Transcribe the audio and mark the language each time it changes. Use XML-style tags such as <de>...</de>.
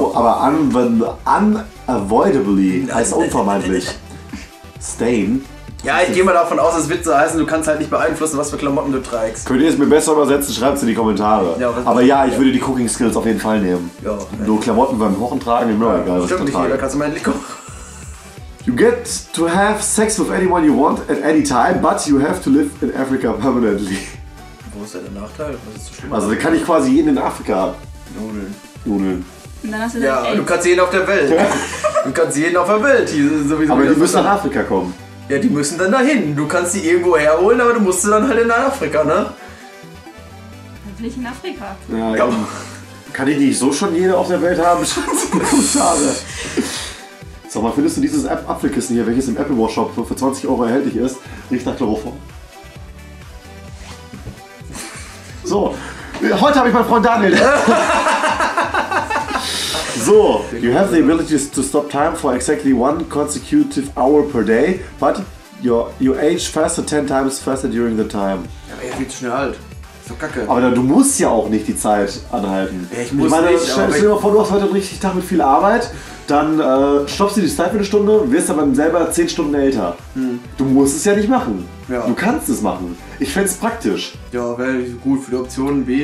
<de>Oh, aber unavoidably heißt unvermeidlich. Stain. Ja, ich gehe mal davon aus, es wird so heißen, du kannst halt nicht beeinflussen, was für Klamotten du trägst. Könnt ihr es mir besser übersetzen, schreibt es in die Kommentare. Ja, aber ja, ich würde die Cooking Skills auf jeden Fall nehmen. Ja. Nur Klamotten beim Kochen tragen, ist mir auch egal, was ich da trage. Da kannst du mal endlich kochen.</de> <en>You get to have sex with anyone you want at any time, but you have to live in Africa permanently.</en> <de>Wo ist der Nachteil? Was ist so schlimm? Also da kann ich quasi jeden in Afrika nudeln. Und dann hast du du kannst jeden auf der Welt. Du kannst jeden auf der Welt. Sowieso aber die müssen nach Afrika kommen. Ja, die müssen dann dahin. Du kannst sie irgendwo herholen, aber du musst sie dann halt in Afrika, ne? Dann bin ich in Afrika. Ja, ja. Kann ich nicht so schon jeder auf der Welt haben? Schade. Sag mal, findest du dieses Apfelkissen hier, welches im Apple Watch Shop für 20 Euro erhältlich ist, riecht nach Chloroform? So, heute habe ich meinen Freund Daniel.</de> <en>So, you have the ability to stop time for exactly one consecutive hour per day, but you age faster 10 times faster during the time.</en> <de>Ja, aber er wird schnell alt. So kacke. Aber du musst ja auch nicht die Zeit anhalten. Ja, ich muss nicht. Stell dir mal vor, du hast heute einen richtigen Tag mit viel Arbeit. Dann stoppst du die Zeit für eine Stunde und wirst dann selber 10 Stunden älter. Hm. Du musst es ja nicht machen. Ja. Du kannst es machen. Ich fände es praktisch. Ja, wäre gut für die Optionen B.</de>